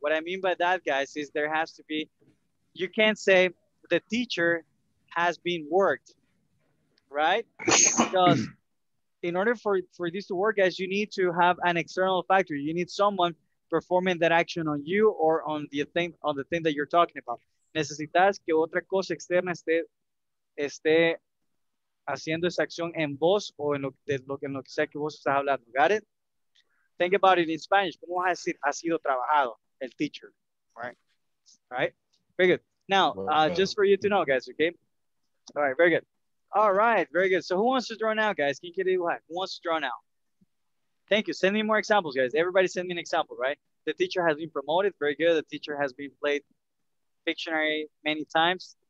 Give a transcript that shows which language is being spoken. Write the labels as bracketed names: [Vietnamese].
[English] What I mean by that, guys, is there has to be, you can't say the teacher has been worked, right? Because in order for this to work, guys, you need to have an external factor. You need someone performing that action on you or on the thing that you're talking about. [Spanish] Necesitas que otra cosa externa esté haciendo esa acción en vos o en lo que sea que vos estás hablando. [English] Got it? Think about it in Spanish. [Spanish] ¿Cómo vas a decir ha sido trabajado el teacher? [English] Right? Very good. Now, just for you to know, guys, okay? All right, very good. All right, very good. So who wants to draw now, guys? Can you get it? Who wants to draw now? Thank you. Send me more examples, guys. Everybody send me an example, right? The teacher has been promoted. Very good. The teacher has been played Pictionary many times.